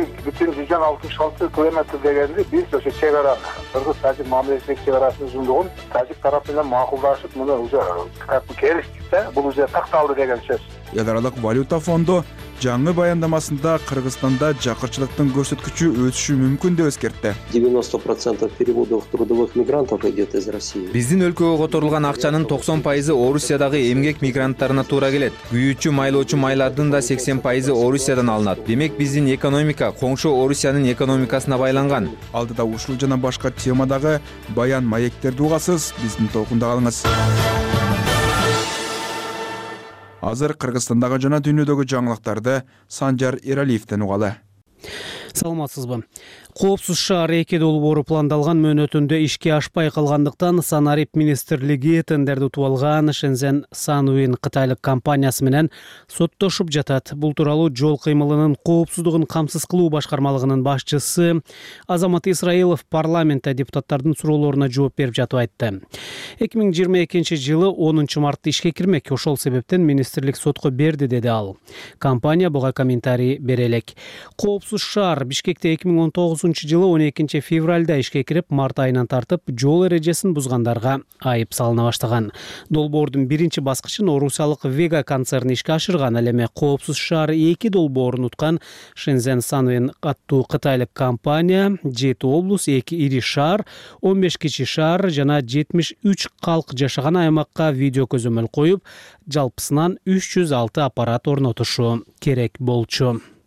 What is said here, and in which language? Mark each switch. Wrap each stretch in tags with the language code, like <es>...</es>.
<ky>17.166 километр дегенди биз ошо чек ара Кыргыз-Тажик мамлекеттик чек арасынын узундугун Тажик тарап менен макулдашып муну уже келиштик да бул уже такталды деген сөз. Эл аралык валюта фонду жаңы баяндамасында Кыргызстанда жакырчылыктын көрсөткүчү өсүшү мүмкүн деп эскертти.</ky> <ru>90% переводов трудовых мигрантов идет из России.</ru> <ky>Биздин өлкөгө которулган акчанын 90% Орусиядагы эмгек мигранттарына туура келет. Күйүүчү, майлоочу майлардын да 80% Орусиядан алынат. Демек биздин экономика коңшу Орусиянын экономикасына байланган. Алдыда ушул жана башка темадагы баян маектерди угасыз, биздин толкунда калыңыз. Азыр Кыргызстандагы жана дүйнөдөгү жаңылыктарды Санжар Эралиевден угалы. Саламатсызбы. Коопсуз шаар 2 долбоору пландалган мөөнөтүндө ишке ашпай калгандыктан Санарип министрлиги тендерди утуп алган Шензен Санвин кытайлык компаниясы менен соттошуп жатат. Бул тууралуу жол кыймылынын коопсуздугун камсыз кылуу башкармалыгынын башчысы Азамат Исраилов парламентте депутаттардын суроолоруна жооп берип жатып айтты. 2022 жылы 10 мартта ишке кирмек, ошол себептен министрлик сотко берди, деди ал. Компания буга комментарий бере элек. Коопсуз шаар Бишкекте 2019 жылы 12 февралда ишке кирип, март айынан тартып жол эрежесин бузгандарга айып салына баштаган. Долбоордун биринчи баскычын орусиялык Вега концерни ишке ашырган, ал эми коопсуз шаар 2 долбоорун уткан Шензен Санвин аттуу кытайлык компания 7 облус, 2 ири шаар, 15 кичи шаар жана 73 калк жашаган аймакка видео көзөмөл коюп, жалпысынан 306 аппарат орнотушу керек болчу.</ky>